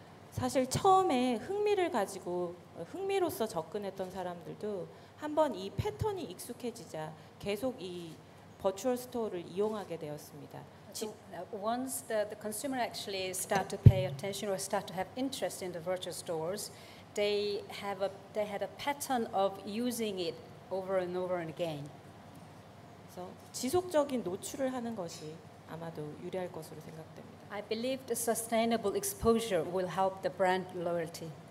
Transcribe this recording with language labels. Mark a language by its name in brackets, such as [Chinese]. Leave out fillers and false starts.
[Korean] 사실 처음에 흥미를 가지고 흥미로서 접근했던 사람들도 한번 이 패턴이 익숙해지자 계속 이 버추얼 스토어를 이용하게 되었습니다. [English] So, once the consumer actually start to pay attention or start to have interest in the virtual stores, they had a pattern of using it over and over and again. [Korean] 그래서 지속적인 노출을 하는 것이 아마도 유리할 것으로 생각됩니다. [English] I believe the sustainable exposure will help the brand loyalty.